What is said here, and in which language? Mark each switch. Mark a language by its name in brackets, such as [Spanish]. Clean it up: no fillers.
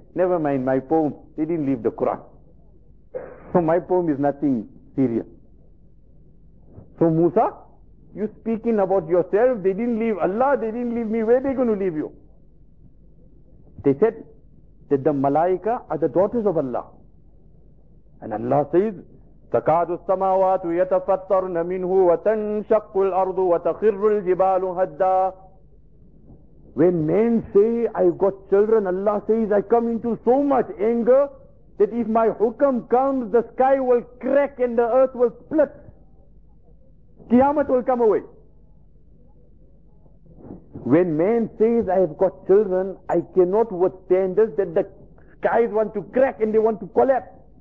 [English] Never mind my poem. They didn't leave the Quran. So my poem is nothing serious. So Musa, you speaking about yourself. They didn't leave Allah. They didn't leave me. Where are they going to leave you? They said that the malaika are the daughters of Allah. [Arabic] And Allah says, تَكَادُ السَّمَاوَاتُ يَتَفَطَّرْنَ مِنْهُ وَتَنْشَقُّ الْأَرْضُ وَتَخِرُّ الْجِبَالُ هَدَّا. [English] When men say, I've got children, Allah says, I come into so much anger that if my hukam comes, the sky will crack and the earth will split. Qiyamah will come away. When man says, I've got children, I cannot withstand this, that the skies want to crack and they want to collapse.